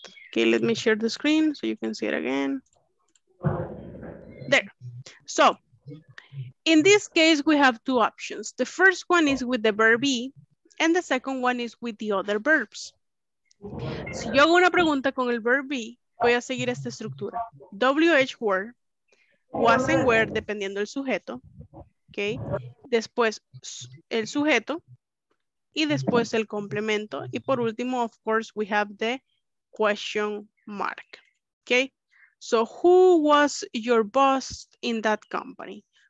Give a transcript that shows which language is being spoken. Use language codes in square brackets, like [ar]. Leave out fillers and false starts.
[en] Okay, let me share the screen so you can see it again. There, so... In this case, we have two options. The first one is with the verb be, and the second one is with the other verbs. [es] Si yo hago una pregunta con el verb be, voy a seguir esta estructura. [en] WH were, was and where, [es] dependiendo del sujeto. Okay? Después, el sujeto. Y después, el complemento. Y por último, [en] of course, we have the question mark. Okay? So, who was your boss in that company?